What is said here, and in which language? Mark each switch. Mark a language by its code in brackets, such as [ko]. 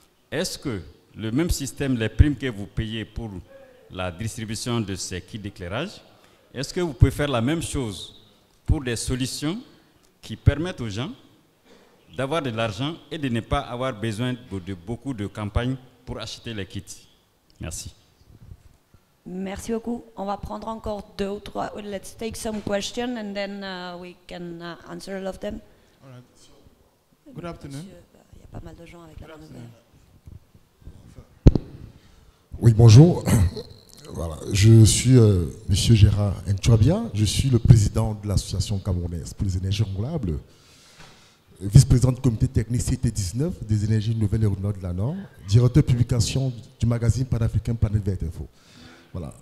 [fr] Est-ce que le même système, les primes que vous payez pour la distribution de ces kits d'éclairage, est-ce que vous pouvez faire la même chose pour des solutions qui permettent aux gens d'avoir de l'argent et de ne pas avoir besoin de beaucoup de campagnes pour acheter les kits? Merci. Merci beaucoup. On va prendre encore deux ou trois. [en] Let's take some questions and then we can answer all of them. All right. So, good afternoon. [fr] Il y a pas mal de gens avec la bonne nouvelle. Oui, bonjour. Voilà. Je suis Monsieur Gérard Nchouabia. Je suis le président de l'Association camerounaise pour les énergies renouvelables, vice-président du comité technique CT19 des énergies nouvelles et renouvelables de la Nord, directeur de publication du magazine panafricain Planète Verte Info. Voilà.